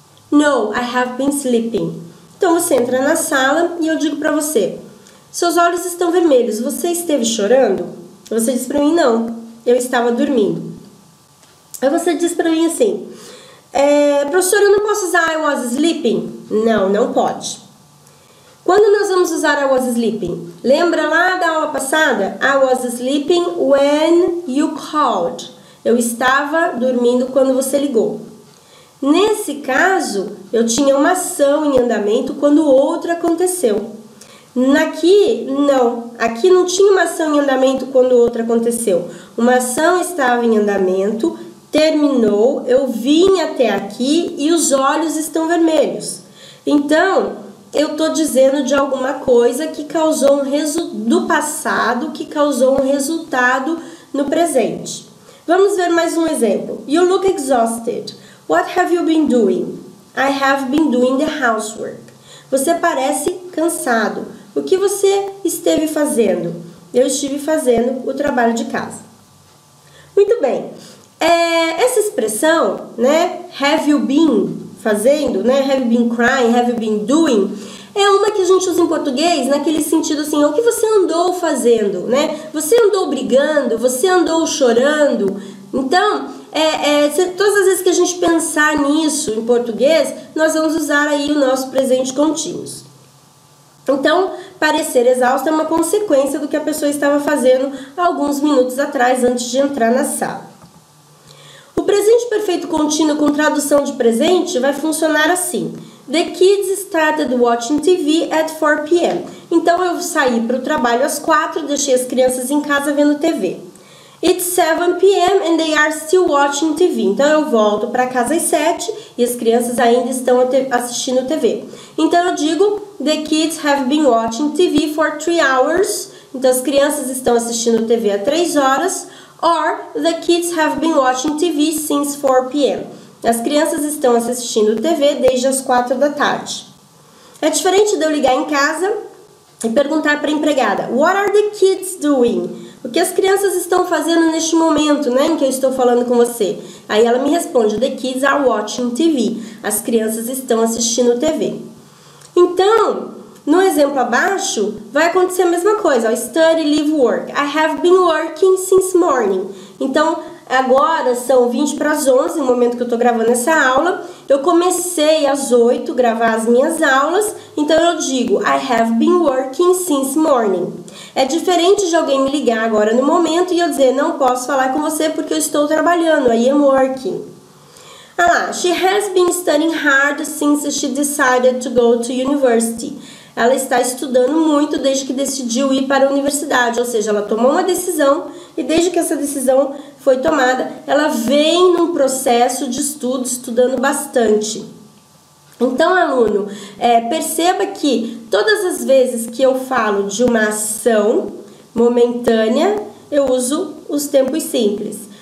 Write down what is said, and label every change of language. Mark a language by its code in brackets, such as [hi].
[en] No, I have been sleeping. [pt] Então, você entra na sala e eu digo para você, seus olhos estão vermelhos, você esteve chorando? Você diz para mim, não, eu estava dormindo. Aí você diz para mim assim, professora, eu não posso usar [en] I was sleeping? [pt] Não, não pode. Quando nós vamos usar [en] I was sleeping? [pt] Lembra lá da aula passada? [en] I was sleeping when you called. [pt] Eu estava dormindo quando você ligou. Nesse caso, eu tinha uma ação em andamento quando outra aconteceu. Aqui, não. Aqui não tinha uma ação em andamento quando outra aconteceu. Uma ação estava em andamento, terminou, eu vim até aqui e os olhos estão vermelhos. Então, eu estou dizendo de alguma coisa que causou um do passado que causou um resultado no presente. Vamos ver mais um exemplo. [en] You look exhausted. What have you been doing? I have been doing the housework. [pt] Você parece cansado. O que você esteve fazendo? Eu estive fazendo o trabalho de casa. Muito bem. Essa expressão, né? [en] Have you been [pt] fazendo, né? [en] Have you been crying? Have you been doing? [pt] É uma que a gente usa em português naquele sentido assim, o que você andou fazendo, né? Você andou brigando, você andou chorando. Então, todas as vezes que a gente pensar nisso em português, nós vamos usar aí o nosso presente contínuo. Então, parecer exausto é uma consequência do que a pessoa estava fazendo alguns minutos atrás, antes de entrar na sala. O presente perfeito contínuo com tradução de presente vai funcionar assim. [en] The kids started watching TV at 4 p.m. [pt] Então, eu saí para o trabalho às 4, deixei as crianças em casa vendo TV. [en] It's 7 p.m. and they are still watching TV. [pt] Então, eu volto para casa às 7 e as crianças ainda estão assistindo TV. Então, eu digo, [en] the kids have been watching TV for 3 hours. [pt] Então, as crianças estão assistindo TV há 3 horas. [en] Or, the kids have been watching TV since 4 p.m. [pt] As crianças estão assistindo TV desde as 4 da tarde. É diferente de eu ligar em casa e perguntar para a empregada, [en] what are the kids doing? [pt] O que as crianças estão fazendo neste momento, né, em que eu estou falando com você? Aí ela me responde, [en] the kids are watching TV. [pt] As crianças estão assistindo TV. Então, no exemplo abaixo, vai acontecer a mesma coisa. [en] Ó, study, leave, work. I have been working since morning. [pt] Então, agora são 20 para as 11, no momento que eu estou gravando essa aula. Eu comecei às 8 gravar as minhas aulas. Então, eu digo, [en] I have been working since morning. [pt] É diferente de alguém me ligar agora no momento e eu dizer, não posso falar com você porque eu estou trabalhando. [en] I am working. Ah, she has been studying hard since she decided to go to university. [pt] Ela está estudando muito desde que decidiu ir para a universidade. Ou seja, ela tomou uma decisão e desde que essa decisão foi tomada, ela vem num processo de estudo, estudando bastante. Então, aluno, perceba que todas as vezes que eu falo de uma ação momentânea, eu uso os tempos simples.